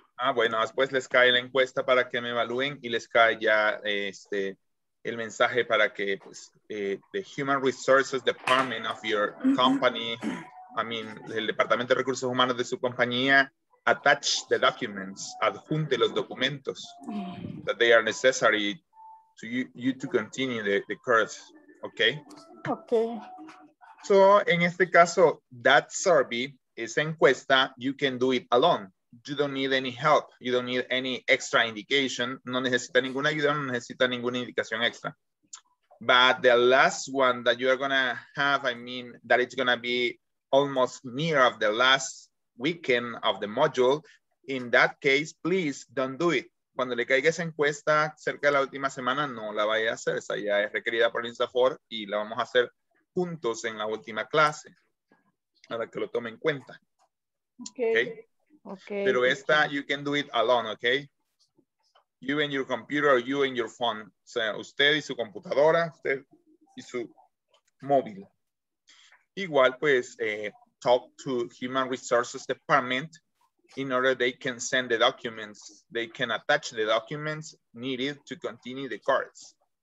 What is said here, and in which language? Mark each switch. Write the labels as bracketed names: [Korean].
[Spanish] Ah, bueno, después les cae la encuesta para que me evalúen y les cae ya el mensaje para que, pues, [English] the Human Resources Department of your company, [Spanish] el Departamento de Recursos Humanos de su compañía, [English] attach the documents, [Spanish] adjunte los documentos [English] that they are necessary to you to continue the course, okay? Okay. So, [Spanish] en este caso, [English] that survey, [Spanish] esa encuesta, [English] you can do it alone. You don't need any help. You don't need any extra indication. [Spanish] No necesita ninguna ayuda, no necesita ninguna indicación extra. [English] But the last one that you are going to have, that it's going to be almost near of the last weekend of the module. In that case, please don't do it. [Spanish] Cuando le caiga esa encuesta cerca de la última semana, no la vaya a hacer. Esa ya es requerida por el INSAFOR y la vamos a hacer juntos en la última clase. Para que lo tome en cuenta. [English] Okay. Okay. [Spanish] Pero esta, [English] you can do it alone, okay? You and your computer, you and your phone. [Spanish] O sea, usted y su computadora, usted y su móvil. Igual, pues, [English] talk to Human Resources Department in order they can send the documents, they can attach the documents needed to continue the course.